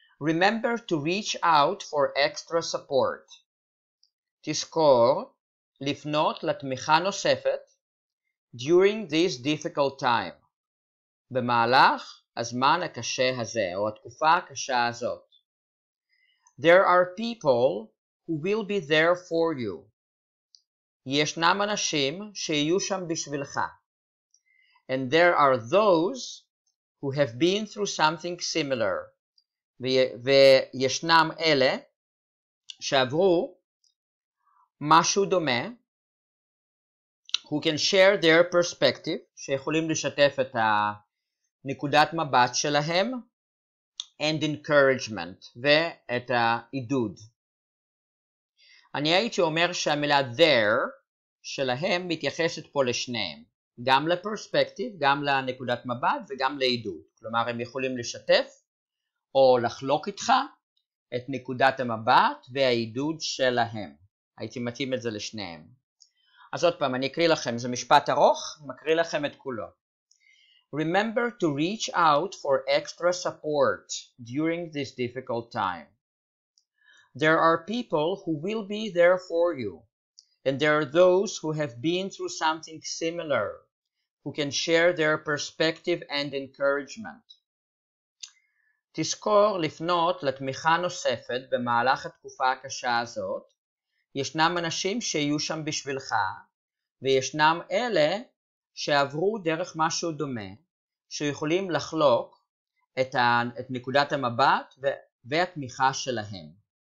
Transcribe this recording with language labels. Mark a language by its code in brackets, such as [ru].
[en] Remember to reach out for extra support. [he] תזכור לפנות לתמיכה נוספת [en] during this difficult time. [he] במהלך הזמן הקשה הזה או התקופה הקשה הזאת. [en] There are people who will be there for you. [he] ישנם אנשים שיהיו שם בשבילך. [en] And there are those who have been through something similar. [he] וישנם אלה שעברו משהו דומה, [en] who can share their perspective, [he] שיכולים לשתף את הנקודת מבט שלהם, [en] and encouragement, [he] ואת העידוד. אני הייתי אומר שהמילה there שלהם מתייחסת פה לשניהם, גם לפרספקטיב, גם לנקודת מבט וגם לעידוד. כלומר, הם יכולים לשתף או לחלוק איתך את נקודת המבט והעידוד שלהם. הייתי מתאים את זה לשניהם. אז עוד פעם, אני אקריא לכם, זה משפט ארוך, מקריא לכם את כולו. [en] Remember to reach out for extra support during this difficult time. There are people who will be there for you, and there are those who have been through something similar, who can share their perspective and encouragement. [he] תזכור לפנות לתמיכה נוספת במהלך התקופה הקשה הזאת. ישנם אנשים שיהיו שם בשבילך, וישנם אלה שעברו דרך משהו דומה, שיכולים לחלוק את נקודת המבט והתמיכה שלהם.